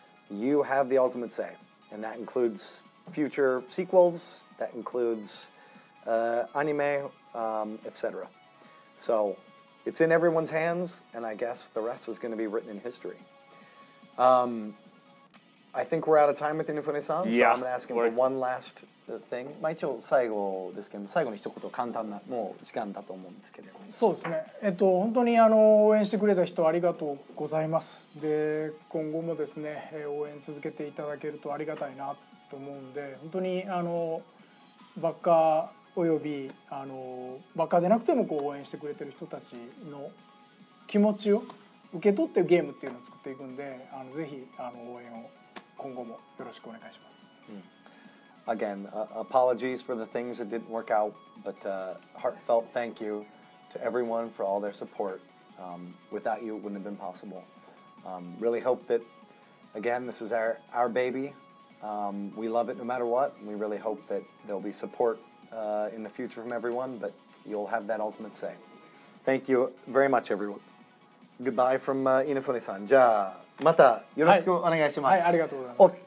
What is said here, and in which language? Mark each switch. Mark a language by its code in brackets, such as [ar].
[en] You have the ultimate say, and that includes future sequels, that includes anime, etc. So it's in everyone's hands, and I guess the rest is going to be written in history. I think we're out of time with Inafune-san, yeah, so I'm going to ask him for one last thing. [ja] まあ一応最後ですけども、最後の一言、簡単なもう時間だと思うんですけれども。そうですね。本当にあの応援してくれた人ありがとうございます。で、今後もですね、応援続けていただけるとありがたいなと思うんで、本当にあのバッカーおよびあのバッカーでなくてもこう応援してくれてる人たちの気持ちを受け取ってゲームっていうのを作っていくんで、あのぜひあの応援を今後もよろしくお願いします。 [en] Again, apologies for the things that didn't work out, but heartfelt thank you to everyone for all their support. Without you, it wouldn't have been possible. Really hope that, again, this is our baby. We love it no matter what. We really hope that there'll be support in the future from everyone, but you'll have that ultimate say. Thank you very much, everyone. Goodbye from Inafune-san. [ja] じゃあ、またよろしくお願いします。はい、ありがとうございます。